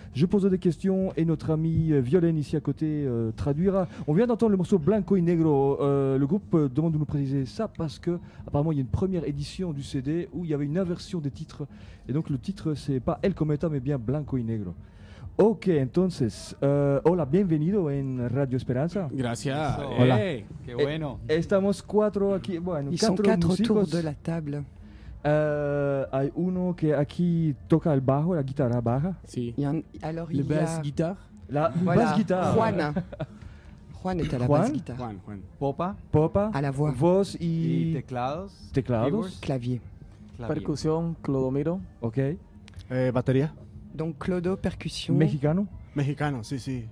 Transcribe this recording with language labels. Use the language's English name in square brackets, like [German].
[French] Je pose des questions et notre ami Violaine ici à côté traduira. On vient d'entendre le morceau Blanco y Negro. Le groupe demande de nous préciser ça parce que apparemment il y a une première édition du CD où il y avait une inversion des titres. Et donc le titre, c'est pas El Cometa, mais bien Blanco y Negro. [Spanish] Ok, entonces, hola, bienvenido en Radio Esperanza. Gracias. Hola. Hey, qué bueno. Estamos cuatro aquí. [French] Bueno, ils sont quatre autour de la table. [Spanish] Hay uno que aquí toca el bajo, la guitarra baja. Sí. [French] Alors, le [English] bass guitar. [French] La voilà. [English] Bass guitar. [Spanish] Juan. [French] Juan est à la [English] bass guitar. [Spanish] Juan. Popa. [French] À la voix. [Spanish] Voz y teclados. Teclados. [French] Clavier. [Spanish] Percusión, Clodomiro. Ok. Batería. [French] Donc Clodo, percussion. [Spanish] Mexicano. Mexicano, sí, sí.